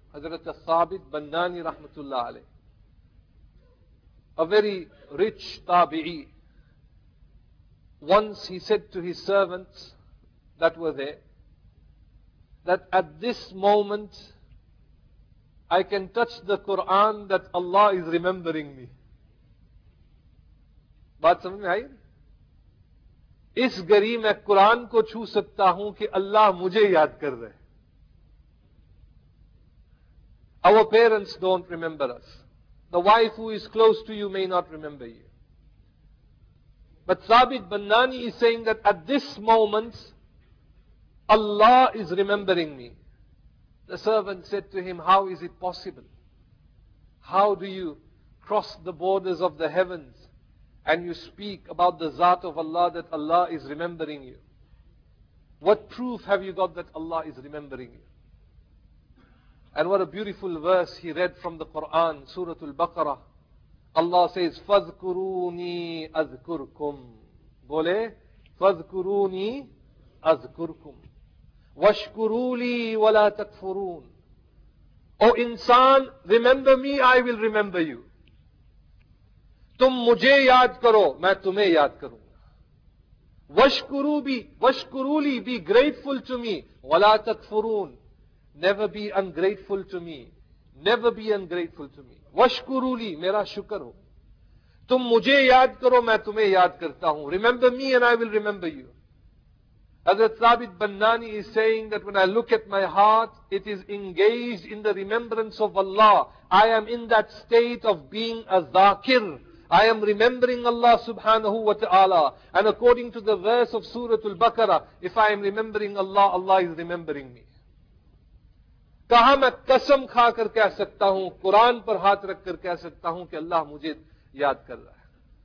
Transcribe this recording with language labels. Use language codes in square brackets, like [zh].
[en] A very rich tabi'i. Once he said to his servants that were there, that at this moment I can touch the Quran that Allah is remembering me. [ur] بات سمجھ میں آئی؟ اس گری میں قرآن کو چھو سکتا ہوں کہ اللہ مجھے یاد کر رہے. [en] Our parents don't remember us. The wife who is close to you may not remember you. But Thabit Bannani is saying that at this moment, Allah is remembering me. The servant said to him, how is it possible? How do you cross the borders of the heavens and you speak about the Zat of Allah, that Allah is remembering you? What proof have you got that Allah is remembering you? And what a beautiful verse he read from the Quran, Surah Al-Baqarah. Allah says, [ar] فَذْكُرُونِي أَذْكُرْكُمْ. [ur] Bole, [ar] فَذْكُرُونِي أَذْكُرْكُمْ. وَشْكُرُولِي وَلَا تَكْفُرُونَ. [en] O insan, remember me, I will remember you. [ur] تم مجھے یاد کرو, میں تمہیں یاد کروں. [ar] وَشْكُرُولِي, [en] be grateful to me. [ar] وَلَا تَكْفُرُونَ, [en] never be ungrateful to me. Never be ungrateful to me. [ar] وَشْكُرُولِي, [ur] میرا شکر ہو. تم مجھے یاد کرو, میں تمہیں یاد کرتا ہوں. [en] Remember me and I will remember you. Hazrat Thabit Bannani is saying that when I look at my heart, it is engaged in the remembrance of Allah. I am in that state of being a dhakir. I am remembering Allah subhanahu wa ta'ala. And according to the verse of Surah Al-Baqarah, if I am remembering Allah, Allah is remembering me. [ur] کہا میں قسم کھا کر کہہ سکتا ہوں, قرآن پر ہاتھ رکھ کر کہہ سکتا ہوں کہ اللہ مجھے یاد کر رہا ہے.